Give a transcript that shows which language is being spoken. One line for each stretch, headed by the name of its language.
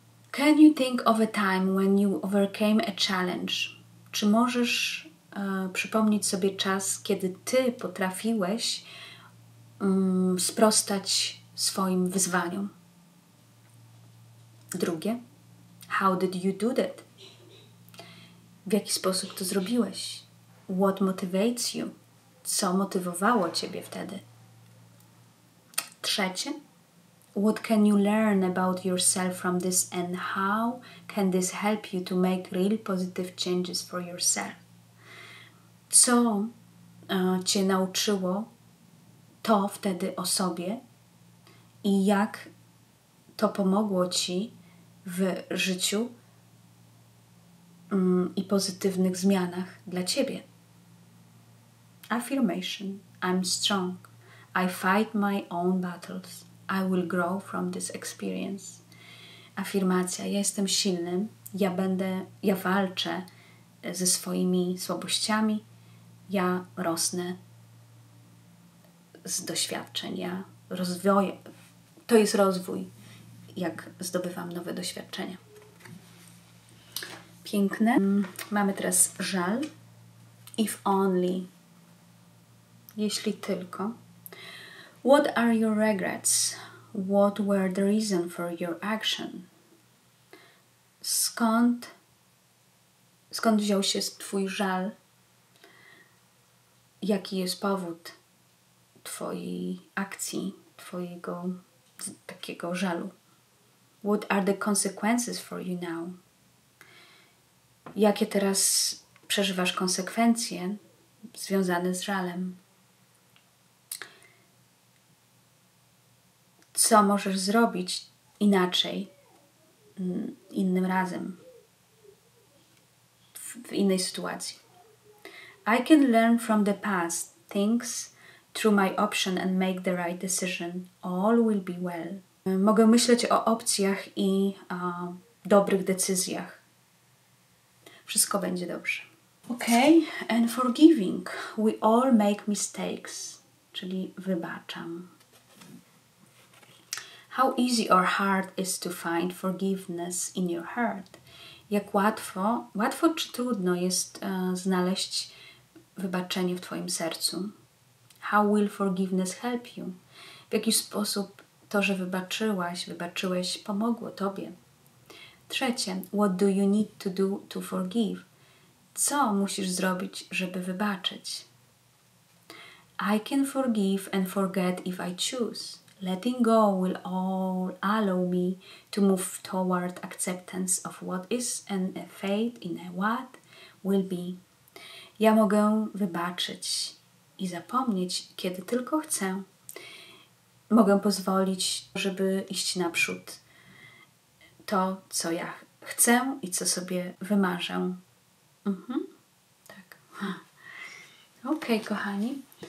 English: Can you think of a time when you overcame a challenge?
Polish: Czy możesz przypomnieć sobie czas, kiedy ty potrafiłeś sprostać swoim wyzwaniom? Drugie.
English: How did you do that?
Polish: W jaki sposób to zrobiłeś?
English: What motivates you?
Polish: Co motywowało ciebie wtedy? Trzecie.
English: What can you learn about yourself from this and how can this help you to make real positive changes for yourself?
Polish: Co cię nauczyło to wtedy o sobie i jak to pomogło ci w życiu i pozytywnych zmianach dla ciebie?
English: Affirmation. I'm strong. I fight my own battles. I will grow from this experience.
Polish: Afirmacja. Ja jestem silnym. Ja walczę ze swoimi słabościami. Ja rosnę z doświadczeń. Ja rozwoję. To jest rozwój, jak zdobywam nowe doświadczenia. Piękne. Mamy teraz żal.
English: If only.
Polish: Jeśli tylko.
English: What are your regrets? What were the reason for your action?
Polish: Skąd wziął się twój żal? Jaki jest powód twojej akcji, twojego takiego żalu?
English: What are the consequences for you now?
Polish: Jakie teraz przeżywasz konsekwencje związane z żalem? Co możesz zrobić inaczej, innym razem, w innej sytuacji?
English: I can learn from the past things through my option and make the right decision. All will be well.
Polish: Mogę myśleć o opcjach i dobrych decyzjach. Wszystko będzie dobrze.
English: Okay, and forgiving. We all make mistakes.
Polish: Czyli wybaczam.
English: How easy or hard is to find forgiveness in your heart?
Polish: Jak łatwo czy trudno jest znaleźć wybaczenie w twoim sercu?
English: How will forgiveness help you?
Polish: W jaki sposób to, że wybaczyłeś, pomogło tobie? Trzecie,
English: what do you need to do to forgive?
Polish: Co musisz zrobić, żeby wybaczyć?
English: I can forgive and forget if I choose. Letting go will all allow me to move toward acceptance of what is and a fate in a what will be.
Polish: Ja mogę wybaczyć i zapomnieć, kiedy tylko chcę. Mogę pozwolić, żeby iść naprzód to, co ja chcę i co sobie wymarzę. Tak. Okej, kochani.